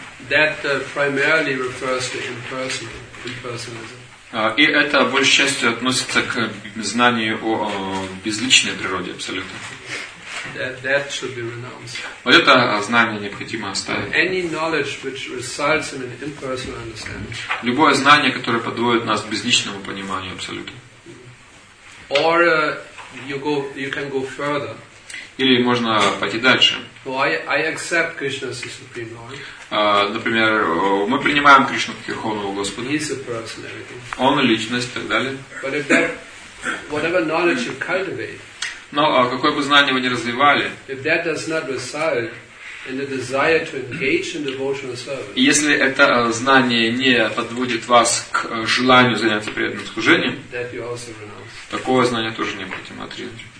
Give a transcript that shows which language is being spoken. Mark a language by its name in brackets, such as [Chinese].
[English] That primarily refers to impersonalism. [Russian] И это большей частью относится к знанию о безличной природе абсолютно. [English] That should be renounced. [Russian] Вот это знание необходимо оставить. [English] Any knowledge which results in an impersonal understanding. [Russian] Любое знание, которое подводит нас к безличному пониманию абсолютно. [English] Or you can go further. [Russian] Или можно пойти дальше. [English] So I accept Krishna as the supreme lord. [Russian] Например, мы принимаем Кришну как верховного господа. [English] He's a person, everything. [Russian] Он личность и так далее. [English] But if that, whatever knowledge you cultivate. [Russian] Но какое бы знание вы ни развивали, если это знание не подводит вас к желанию заняться преданным служением, такого знания тоже необходимо отринуть.